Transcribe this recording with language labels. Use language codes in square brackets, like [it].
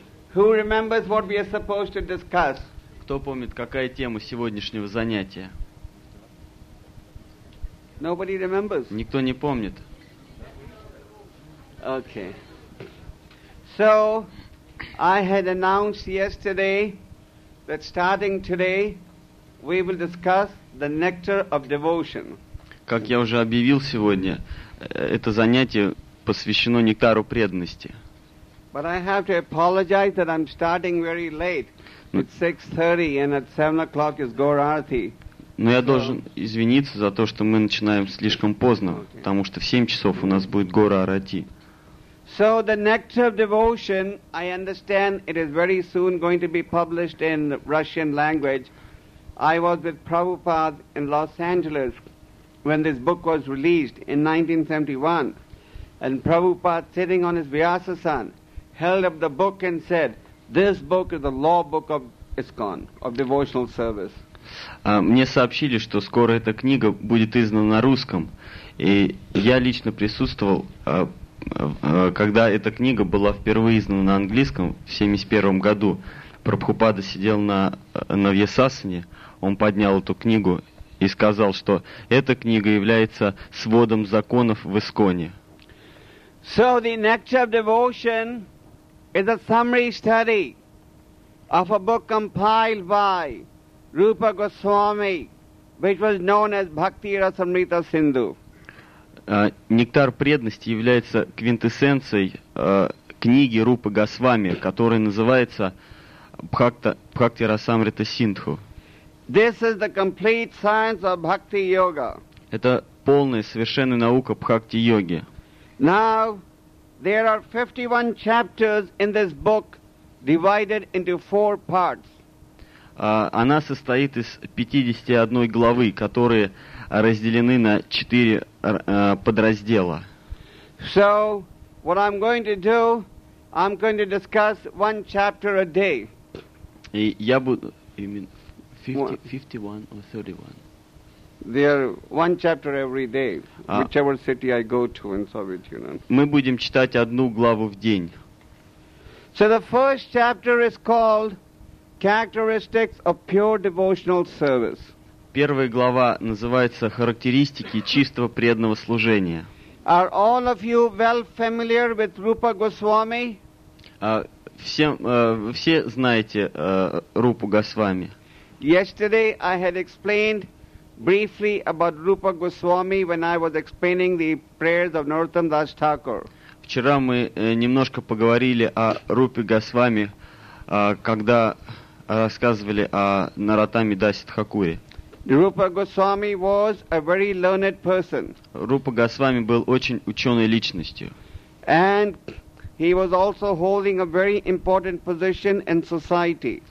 [en] Who remembers what we are supposed to discuss? [ru] Кто помнит, какая тема сегодняшнего занятия? [en] Nobody remembers. [ru] Никто не помнит. [en] Okay. So, I had announced yesterday that starting today we will discuss the nectar of devotion. [ru] Как я уже объявил сегодня, это занятие посвящено нектару преданности. [en] But I have to apologize that I'm starting very late. It's 6:30 and at 7 o'clock is Gaurarti. [ru] Но я должен извиниться за то, что мы начинаем слишком поздно, потому что в 7 часов у нас будет Гаурарти. [en] So the nectar of devotion, I understand it is very soon going to be published in Russian language. I was with Prabhupada in Los Angeles when this book was released in 1971. And Prabhupada sitting on his Vyasasan held up the book and said, this book is the law book of ISKCON, of devotional service. [ru] Мне сообщили, что скоро эта книга будет издана на русском. И я лично присутствовал, когда эта книга была впервые издана на английском в 1971 году. Прабхупада сидел на Вьясасане, он поднял эту книгу и сказал, что эта книга является сводом законов в ИСККОНе. [en] So the nature of devotion is a summary study of a book compiled by Rupa Goswami, which was known as Bhakti Rasamrita Sindhu. [ru] Нектар преданности является квинтэссенцией книги Рупы Госвами, которая называется Бхакти Расамрита Синдху. [en] This is the complete science of Bhakti Yoga. [ru] Это полная совершенная наука Бхакти Йоги. [en] Now, there are 51 chapters in this book, divided into four parts. [ru] Она состоит из 51 главы, которые разделены на 4 подраздела. [en] So, what I'm going to do, I'm going to discuss one chapter a day. [ru] И я буду... [en] You mean 51 or 31? There are one chapter every day, whichever city I go to in Soviet Union. [ru] Мы будем читать одну главу в день. [en] So the first chapter is called Characteristics of Pure Devotional Service. [ru] Первая глава называется «Характеристики чистого преданного служения». [en] Are all of you well familiar with Rupa Goswami? [ru] Все знаете Рупу Госвами. [en] Yesterday I had explained briefly about Rupa Goswami when I was explaining the prayers of Narottam Das Thakur. [ru] Вчера мы немножко поговорили о Рупе Госвами, когда рассказывали о Нараттаме Дасе Тхакуре. [en] Rupa Goswami was a very learned person. [ru] Рупа Госвами был очень ученой личностью. [en] And he was also holding a very important position in society.